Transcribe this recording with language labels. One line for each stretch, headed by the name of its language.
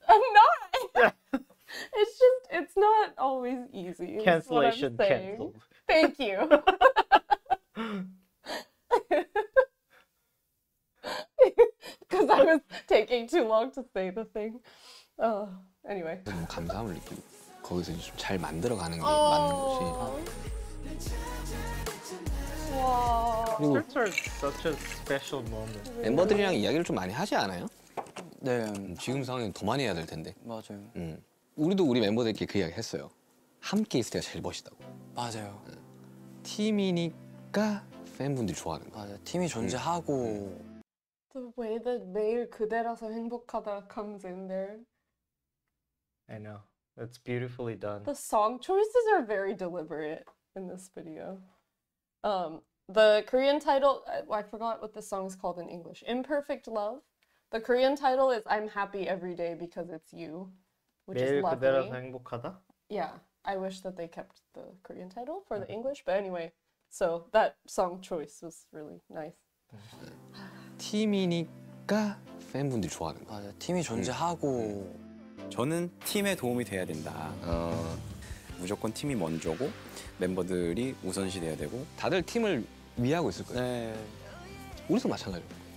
English: I'm not. It's just, it's not always easy. Cancellation canceled. Thank you. Because I was taking too long to say the thing. Anyway.
Korean: 너무 감사함을 느끼고 거기서 좀 잘 만들어가는 게 맞는 것이. 와.
English: This is such a special moment.
Korean: 멤버들이랑 이야기를 좀 많이 하지 않아요? 네. 지금 상황에 더 많이 해야 될 텐데. 맞아요. 우리도 우리 멤버들께 그 이야기 했어요. 함께 있을 때가 제일 멋있다고. 맞아요. 팀이니까 팬분들이 좋아하는 거. 맞아요. 팀이 존재하고.
English: The way that 매일 그대라서 행복하다 comes in there. I know. That's beautifully done. The song choices are very deliberate in this video. The Korean title, I forgot what the song is called in English. Imperfect Love. The Korean title is I'm Happy Every Day Because It's You. Which is lovely. Yeah, I wish that they kept the Korean title for the English. But anyway, so that song choice was really nice.
Korean: 팀이니까 팬분들이 좋아하는 거. 맞아, 팀이 존재하고. 저는 팀에 도움이 돼야 된다. 무조건 팀이 먼저고 멤버들이 우선시 돼야 되고. 다들 팀을 위하고 있을 거예요. 네. 우리도 마찬가지로.